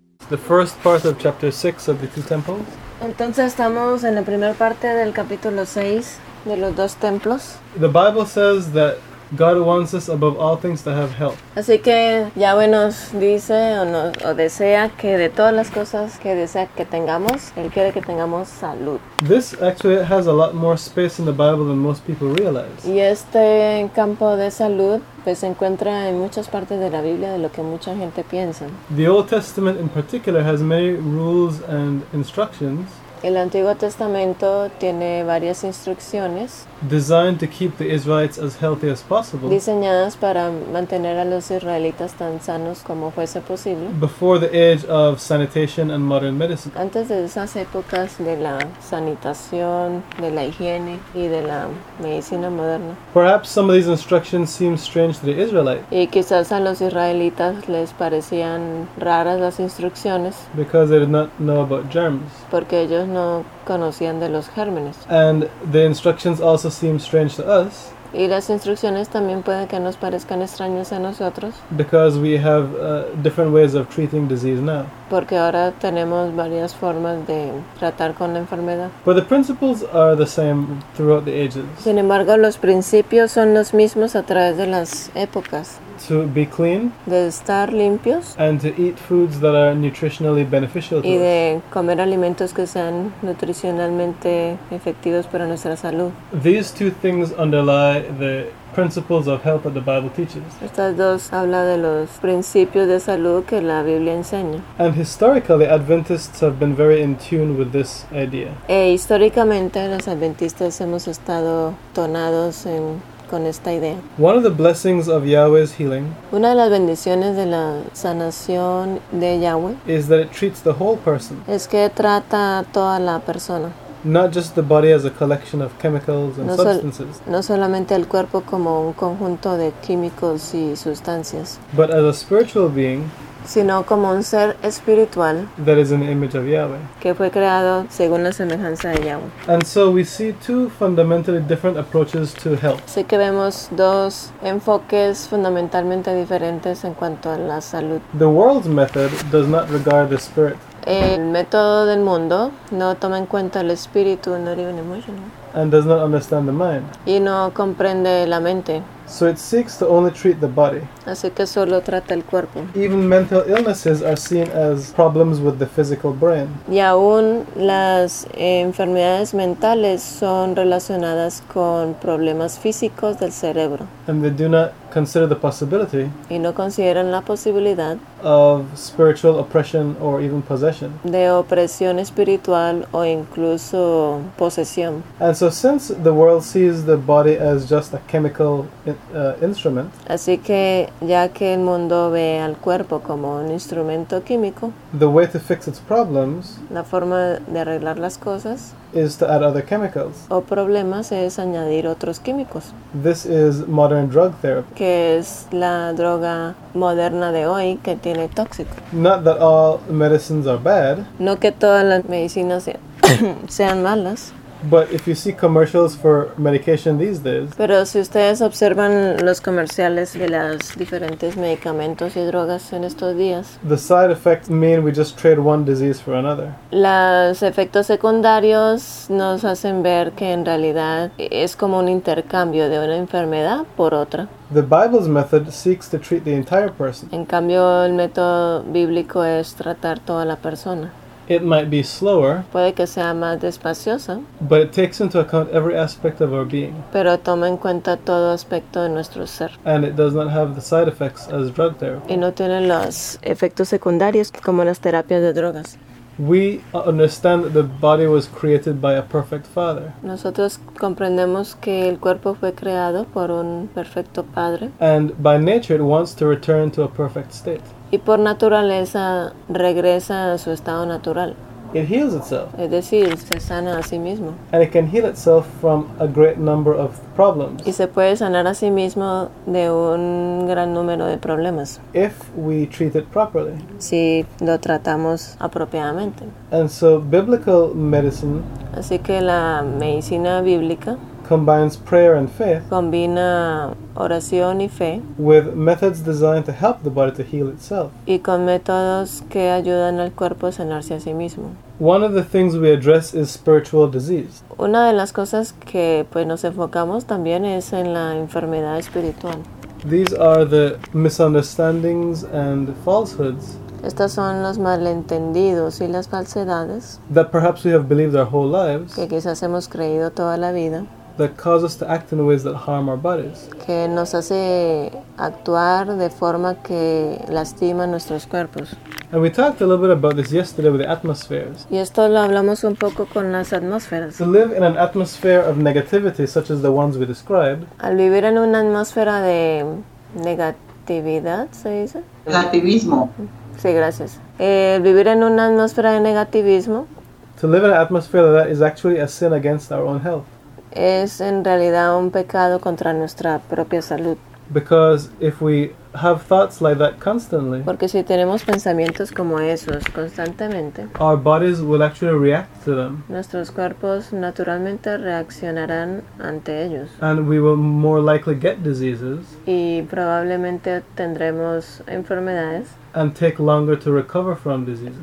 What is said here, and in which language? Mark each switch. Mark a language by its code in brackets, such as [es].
[en] the first part of chapter 6 of the two temples. [es] Entonces estamos en la primera parte del capítulo 6 de los dos templos. [en] The Bible says that God wants us above all things to have health. [es] Así que Yahweh nos dice o desea que de todas las cosas que desea que tengamos, Él quiere que tengamos salud. [en] This actually has a lot more space in the Bible than most people realize. [es] Y este campo de salud pues se encuentra en muchas partes de la Biblia de lo que mucha gente piensa. [en] The Old Testament in particular has many rules and instructions. [es] El Antiguo Testamento tiene varias instrucciones [en] designed to keep the Israelites as healthy as possible, [es] diseñadas para mantener a los israelitas tan sanos como fuese posible, [en] before the age of sanitation and modern medicine. [es] Antes de esas épocas de la sanitación, de la higiene y de la medicina moderna. [en] Perhaps some of these instructions seem strange to the Israelites. [es] Y quizás a los israelitas les parecían raras las instrucciones, [en] because they did not know about germs. [es] Porque ellos no conocían de los gérmenes. [en] And the instructions also seem strange to us. [es] Y las instrucciones también pueden que nos parezcan extrañas a nosotros. [en] Because we have different ways of treating disease now. [es] Porque ahora tenemos varias formas de tratar con la enfermedad. [en] But the principles are the same throughout the ages. [es] Sin embargo, los principios son los mismos a través de las épocas. [en] To be clean. [es] De estar limpios. [en] And to eat foods that are nutritionally beneficial to us. [es] Y de comer alimentos que sean nutricionalmente efectivos para nuestra salud. [en] These two things underlie the principles of health that the Bible teaches. [es] Estas dos habla de los principios de salud que la Biblia enseña. [en] And historically, Adventists have been very in tune with this idea. [es] E históricamente, los adventistas hemos estado tonados en con esta idea. [en] One of the blessings of Yahweh's healing, [es] una de las bendiciones de la sanación de Yahweh, [en] is that it treats the whole person. [es] Es que trata a toda la persona. [en] Not just the body as a collection of chemicals and substances. [es] No solamente el cuerpo como un conjunto de químicos y sustancias. [en] But as a spiritual being, [es] sino como un ser espiritual, [en] that is in the image of Yahweh, [es] que fue creado según la semejanza de Yahweh. [en] And so we see two fundamentally different approaches to health. [es] Así que vemos dos enfoques fundamentalmente diferentes en cuanto a la salud. [en] The world's method does not regard the spirit. [es] El método del mundo no toma en cuenta el espíritu, [en] not even emotional, and does not understand the mind. [es] Y no comprende la mente. [en] So it seeks to only treat the body. [es] Así que solo trata el cuerpo. [en] Even mental illnesses are seen as problems with the physical brain. [es] Y aún las enfermedades mentales son relacionadas con problemas físicos del cerebro. [en] And they do not consider the possibility. [es] Y no consideran la posibilidad. [en] Of spiritual oppression or even possession. [es] De opresión espiritual o incluso posesión. [en] And so since the world sees the body as just a chemical instrument. [es] Así que ya que el mundo ve al cuerpo como un instrumento químico. [en] The way to fix its problems. [es] La forma de arreglar las cosas. [en] Is to add other chemicals. [es] O problemas es añadir otros químicos. [en] This is modern drug therapy. [es] Que es la droga moderna de hoy que tiene tóxico. [en] Not that all medicines are bad. [es] No que todas las medicinas sean malas. [en] But if you see commercials for medication these days, [es] pero si ustedes observan los comerciales de los diferentes medicamentos y drogas en estos días, [en] the side effects mean we just trade one disease for another. [es] Los efectos secundarios nos hacen ver que en realidad es como un intercambio de una enfermedad por otra. [en] The Bible's method seeks to treat the entire person. [es] En cambio, el método bíblico es tratar toda la persona. [en] It might be slower. [es] Puede que sea más despacioso. [en] But it takes into account every aspect of our being. [es] Pero toma en cuenta todo aspecto de nuestro ser. [en] And it does not have the side effects as drug therapy. [es] Y no tiene los efectos secundarios como las terapias de drogas. [en] We understand that the body was created by a perfect father. [es] Nosotros comprendemos que el cuerpo fue creado por un perfecto padre. [en] And by nature it wants to return to a perfect state. [es] Y por naturaleza regresa a su estado natural. [en] It heals itself. [es] Es decir, se sana a sí mismo. [en] And it can heal itself from a great number of problems. [es] Y se puede sanar a sí mismo de un gran número de problemas. [en] If we treat it properly. [es] Si lo tratamos apropiadamente. [en] And so biblical medicine. [es] Así que la medicina bíblica [en] combines prayer and faith, [es] combina oración y fe, [en] with methods designed to help the body to heal itself, [es] y con métodos que ayudan al cuerpo a sanarse a sí mismo. [en] One of the things we address is spiritual disease. [es] Una de las cosas que pues nos enfocamos también es en la enfermedad espiritual. [en] These are the misunderstandings and falsehoods. [es] Estas son los malentendidos y las falsedades [en] that perhaps we have believed our whole lives, [es] que quizás hemos creído toda la vida, [en] that cause us to act in ways that harm our bodies, [es] que nos hace actuar de forma que lastima nuestros cuerpos. [en] And we talked a little bit about this yesterday with the atmospheres. [es] Y esto lo hablamos un poco con las atmósferas. [en] To live in an atmosphere of negativity, such as the ones we described. [es] Al vivir en una atmósfera de negatividad, ¿se dice? Negativismo. Sí, gracias. Vivir en una atmósfera de negativismo. [en] To live in an atmosphere like that is actually a sin against our own health. [es] Es en realidad un pecado contra nuestra propia salud. [en] Because if we have thoughts like that constantly, [es] porque si tenemos pensamientos como esos constantemente, [en] our bodies will actually react to them. [es] Nuestros cuerpos naturalmente reaccionarán ante ellos. [en] And we will more likely get diseases. [es] Y probablemente tendremos enfermedades. [en] And take longer to recover from diseases.